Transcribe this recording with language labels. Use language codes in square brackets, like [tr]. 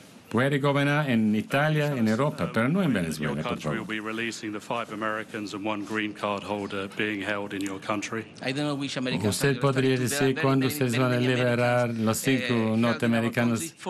[es] Puede gobernar en Italia, en Europa, pero no en Venezuela. [en] Your country will be releasing the 5 Americans and 1 green card holder being held in your country. [es] ¿Usted podría decir cuándo ustedes van a liberar los 5 norteamericanos?